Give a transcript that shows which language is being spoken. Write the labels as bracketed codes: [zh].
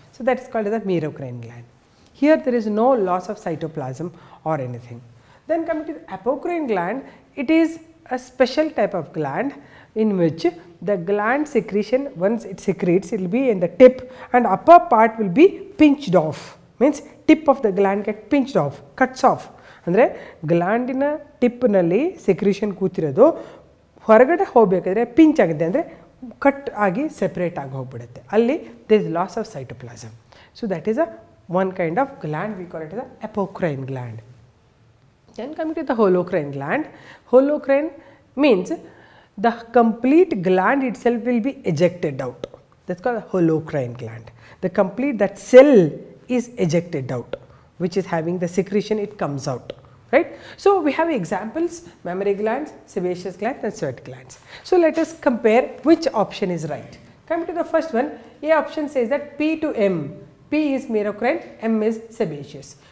[en] So, that is called as a merocrine gland. Here there is no loss of cytoplasm or anything. Then coming to the apocrine gland, it is a special type of gland in which the gland secretion, once it secretes, it will be in the tip and upper part will be pinched off, means tip of the gland get pinched off, cuts off. [kn] ಅಂದರೆ ಗ್ಲ್ಯಾಂಡಿನ ಟಿಪ್ಪಿನಲ್ಲಿ secretion ಕೂತಿರೋದು ಹೊರಗಡೆ ಹೋಗಬೇಕಾದ್ರೆ pinch ಆಗುತ್ತೆ, ಅಂದರೆ cut ಆಗಿ separate ಆಗಿ ಹೋಗ್ಬಿಡುತ್ತೆ, ಅಲ್ಲಿ [en] There is loss of cytoplasm. So that is a one kind of gland, we call it a apocrine gland. Then coming to the holocrine gland, holocrine means the complete gland itself will be ejected out, that's call holocrine gland. The complete that cell is ejected out which is having the secretion, it comes out, right. So, we have examples, mammary glands, sebaceous glands and sweat glands. So, let us compare which option is right. Coming to the first one, A option says that P to M, P is merocrine, M is sebaceous.